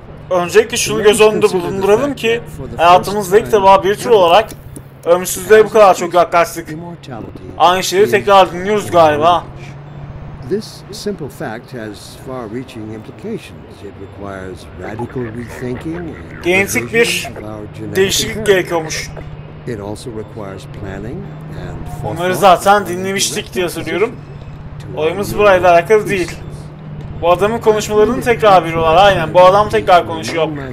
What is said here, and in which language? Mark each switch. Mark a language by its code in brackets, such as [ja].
[tr] Öncelikle şunu göz önünde bulunduralım ki hayatımızda ilk defa bir tür olarak ömürsüzlüğe bu kadar çok yaklaştık. Aynı şeyi tekrar dinliyoruz galiba. [en] This simple fact has far-reaching implications. It requires radical rethinking. [tr] Genetik bir değişiklik gerekiyormuş. [en] It also requires planning and forethought. [tr] Onları zaten dinlemiştik diye soruyorum. Olayımız burayla alakalı değil. Bu adamın konuşmalarını tekrar bir olar. Aynen, bu adam tekrar konuşuyor.